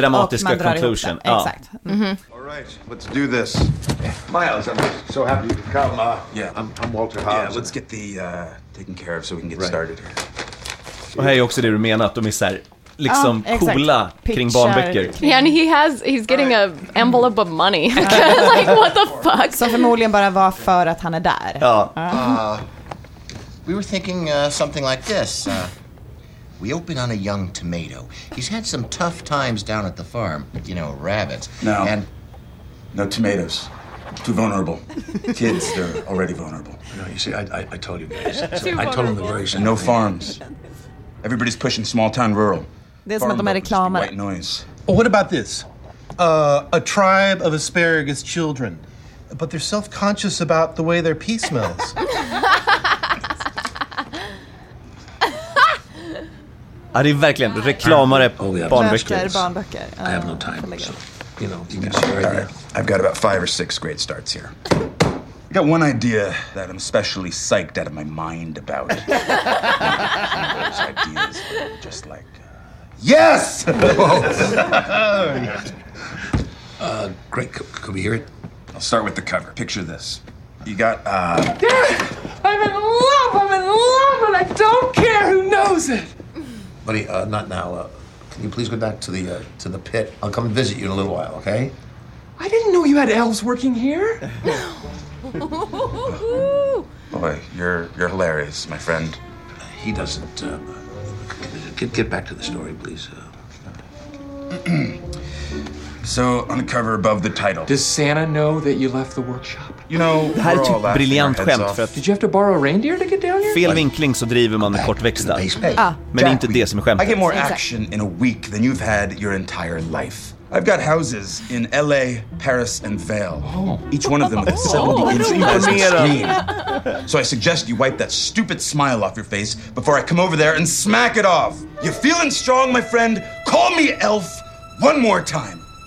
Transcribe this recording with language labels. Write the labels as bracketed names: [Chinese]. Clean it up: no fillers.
[Swedish] dramatiska conclusion. Ja. Exakt. [English] All right, let's do this. Miles, I'm so happy you could come. I'm Walter Hobbs. Yeah, let's get the taken care of so we can get started. [Swedish] Och här är också det du menar, att de är så här, liksom coola kring barnböcker. [English] Yeah, and he's getting an envelope of money. Like, what the fuck? [Swedish] Som förmodligen bara var för att han är där. Ja. [English] We were thinking something like this. We open on a young tomato. He's had some tough times down at the farm. You know, rabbits. No. And... no tomatoes. Too vulnerable. Kids, they're already vulnerable. No, you see, I told you guys. So I told him the worries. No farms. Everybody's pushing small town rural. [Swedish] Det är som att de är reklamare. [English] White noise. Oh, what about this? A tribe of asparagus children, but they're self-conscious about the way their pee smells. [Swedish] Är det verkligen reklamare barnböcker? [English] I have no time. You know, you can share. I've got about 5 or 6 great starts here. I got one idea that I'm especially psyched out of my mind about. Those ideas, just like, yes! Great, could we hear it? I'll start with the cover. Picture this. You got, I'm in love, and I don't care who knows it! Buddy, not now. Can you please go back to the pit? I'll come visit you in a little while, okay? I didn't know you had elves working here. Boy, you're hilarious, my friend. He doesn't. Get back to the story, please. So on the cover above the title. Does Santa know that you left the workshop? You know, we're all laughing brilliant our heads off. Did you have to borrow a reindeer to get down here? [Swedish] Fel vinkling så driver man med kortväxta. Men inte det som är skämtet. [English] I get more action in a week than you've had your entire life. I've got houses in L.A., Paris, and Vail. Each one of them with a 70-inch screen. So I suggest you wipe that stupid smile off your face before I come over there and smack it off. You feeling strong, my friend? Call me Elf one more time.